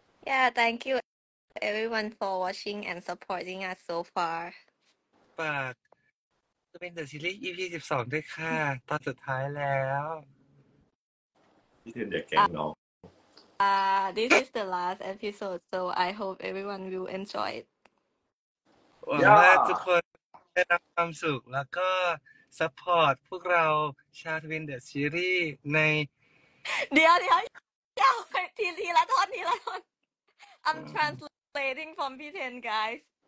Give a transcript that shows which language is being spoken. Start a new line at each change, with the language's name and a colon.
English: Yeah thank you everyone for watching and supporting us so far
Thai: ฝากจะเป็นเดอะซีรีส์ EP 12ด้วยค่ะตอนสุดท้ายแล้ว พี่เทนเดี๋ยวแกงน้อง
English: This is the last episode so I hope everyone will enjoy it ว้าว yeah.
Thai: ทุกคนได้รับความสุขแล้วก็ซัพพอร์ตพวกเราชาทวินเดอะซีรีส์ใน เดี๋ยวทีละท่อนทีละท่อน
English: I'm translating from P10 guys